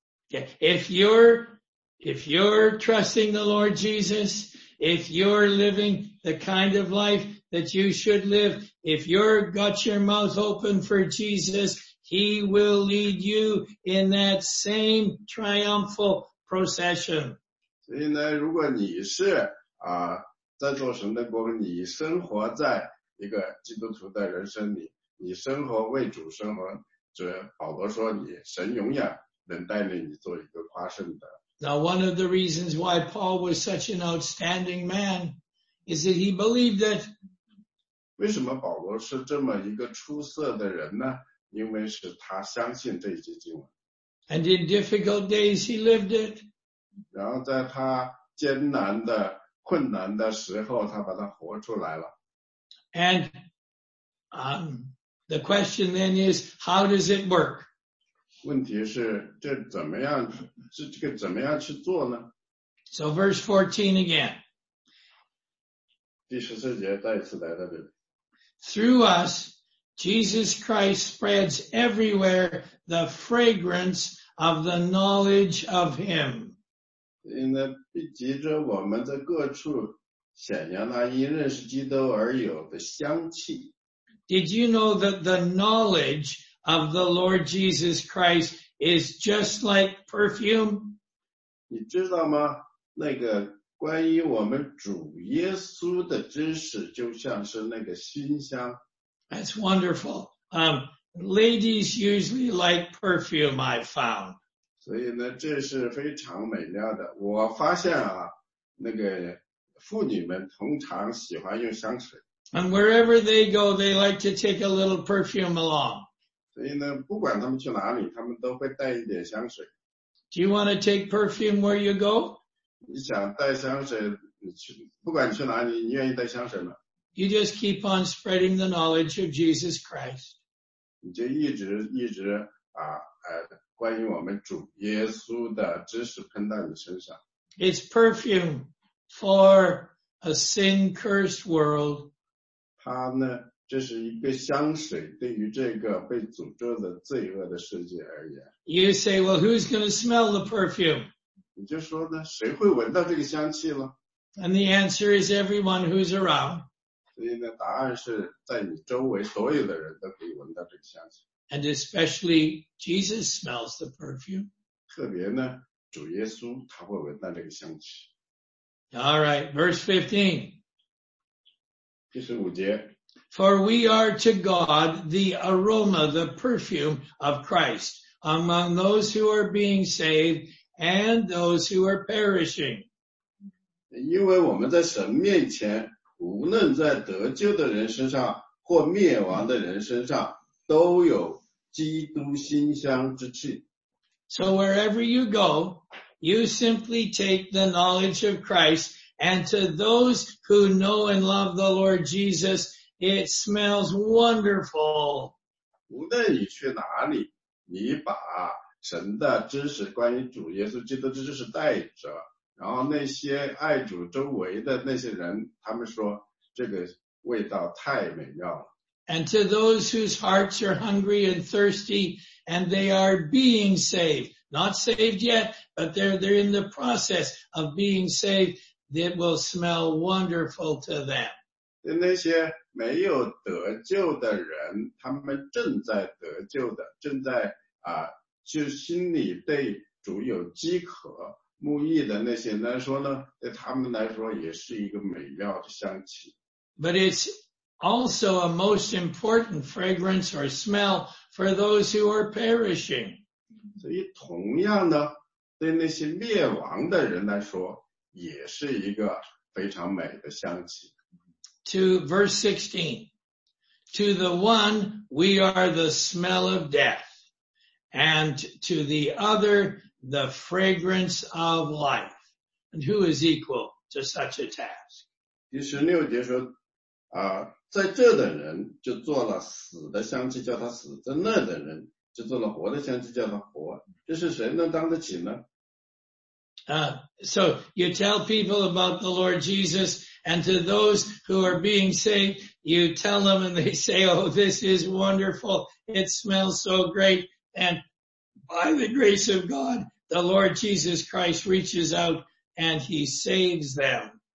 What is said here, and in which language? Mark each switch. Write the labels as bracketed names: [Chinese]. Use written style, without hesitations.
[English] If you're trusting the Lord Jesus, if you're living the kind of life that you should live, if you're got your mouth open for Jesus, he will lead you in that same triumphal procession. [Chinese] 所以呢，如果你是在做神的工，你生活在一个基督徒的人生里，你生活为主生活，主保罗说你神永远能带领你做一个夸胜的。 [English] Now one of the reasons why Paul was such an outstanding man is that he believed that. [Chinese] 为什么保罗是这么一个出色的人呢？因为是他相信这些经文。 [English] And in difficult days he lived it. [Chinese] 然后在他艰难的困难的时候他把它活出来了。 [English] And the question then is, how does it work? [Chinese] 问题是这怎么样，是这个怎么样去做呢？ [English] So verse 14 again. [Chinese] 第十四节再一次来到这里。 [English] Through us, Jesus Christ spreads everywhere the fragrance of the knowledge of him. [Chinese] 因为藉着我们在各处显扬那因认识基督而有的香气。 [English] Did you know that the knowledge of the Lord Jesus Christ is just like perfume? [Chinese] 你知道吗？那个关于我们主耶稣的知识就像是那个馨香。 [English] That's wonderful. Ladies usually like perfume, I found. [Chinese] 所以呢，这是非常美妙的。我发现啊，那个妇女们通常喜欢用香水。 [English] And wherever they go, they like to take a little perfume along. [Chinese] 所以呢，不管他们去哪里，他们都会带一点香水。 [English] Do you want to take perfume where you go? [Chinese] 你想带香水，你去，不管去哪里，你愿意带香水吗？ [English] You just keep on spreading the knowledge of Jesus Christ. [Chinese] 你就一直一直关于我们主耶稣的知识喷到你身上。 [English] It's perfume for a sin-cursed world. [Chinese] 它呢，这是一个香水，对于这个被诅咒的罪恶的世界而言。 [English] You say, well, who's going to smell the perfume? [Chinese] 你就说呢，谁会闻到这个香气了？ [English] And the answer is everyone who's around. [Chinese] 所以呢，答案是在你周围所有的人都可以闻到这个香气。 [English] And especially Jesus smells the perfume. [Chinese] 特别呢，主耶稣他会闻到这个香气。 [English] All right, verse 15. [Chinese] 第十五节。 [English] For we are to God the aroma, the perfume of Christ among those who are being saved and those who are perishing. [Chinese] 因为我们在神面前，无论在得救的人身上或灭亡的人身上，都有基督馨香之气。 [English] So wherever you go, you simply take the knowledge of Christ, and to those who know and love the Lord Jesus, it smells wonderful. [Chinese] 无论你去哪里，你把神的知识，关于主耶稣基督的知识带着，然后那些爱主周围的那些人，他们说这个味道太美妙了。 [English] And to those whose hearts are hungry and thirsty, and they are being saved. Not saved yet, but they're in the process of being saved. It will smell wonderful to them. [Chinese] 那些没有得救的人，他们正在得救的，正在啊，就心里对主有饥渴慕义的那些人来说呢，对他们来说也是一个美妙的香气。 [English] But it's also a most important fragrance or smell for those who are perishing. [Chinese] 所以同样呢，对那些灭亡的人来说，也是一个非常美的香气。 [English] To verse 16, to the one we are the smell of death, and to the other the fragrance of life. And who is equal to such a task? [Chinese] 第十六节说，在这的人就做了死的香气，叫他死；在那的人就做了活的香气，叫他活。这是谁能当得起呢？ [English] So you tell people about the Lord Jesus, and to those who are being saved, you tell them and they say, oh, this is wonderful. It smells so great. And by the grace of God, the Lord Jesus Christ reaches out and he saves them.